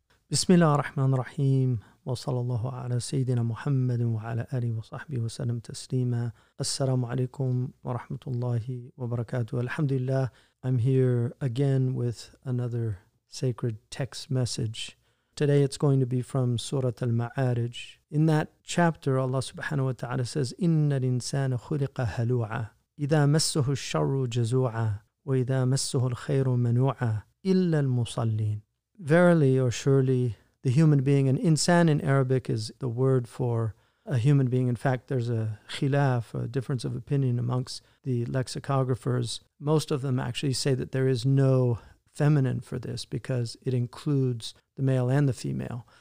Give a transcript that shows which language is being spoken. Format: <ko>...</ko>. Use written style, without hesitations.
<ar>بسم الله الرحمن الرحيم، وصلى الله على سيدنا محمد وعلى آله وصحبه وسلم تسليما. السلام عليكم ورحمة الله وبركاته. الحمد لله.</ar> <en>I'm here again with another sacred text message. Today it's going to be from Surah Al-Ma'arij. In that chapter, Allah subhanahu wa ta'ala says,</en> <ar>إِنَّ الْإِنسَانَ خُلِقَ هَلُوعًا إِذَا مَسُّهُ الشَّرُّ جَزُوعًا وَإِذَا مَسُّهُ الْخَيْرُ مَنُوعًا إِلَّا الْمُصَلِّينَ.</ar> <en>Verily or surely, the human being, and insan in Arabic is the word for a human being. In fact, there's a khilaf, a difference of opinion amongst the lexicographers. Most of them actually say that there is no feminine for this because it includes the male and the female.</en>